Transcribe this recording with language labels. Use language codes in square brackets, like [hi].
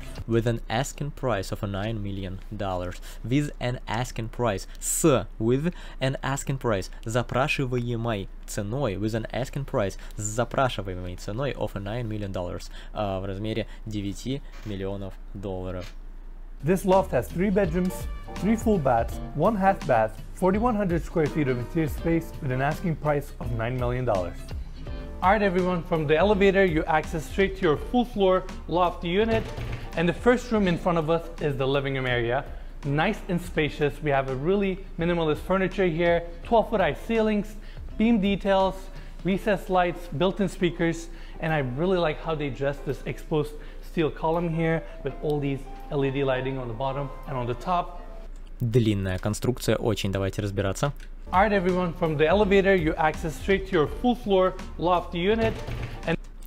[en] With an asking price of $9 million. With an asking price. С. With an asking price. [ru] Запрашиваемой ценой. [en] With an asking price. [ru] С запрашиваемой ценой [en] of $9 million. [ru] В размере 9 миллионов долларов. [en] This loft has 3 bedrooms, 3 full baths, 1 half bath, 4100 square feet of interior space with an asking price of $9 million. Alright everyone, from the elevator you access straight to your full floor loft unit, and the first room in front of us is the living room area. Nice and spacious, we have a really minimalist furniture here, 12 foot high ceilings, beam details, recessed lights, built-in speakers, and I really like how they dress this exposed steel column here with all these LED lighting on the bottom and on the top. [ru] Длинная конструкция, очень, давайте разбираться. [en] Alright everyone, from the elevator you access straight to your full floor loft unit and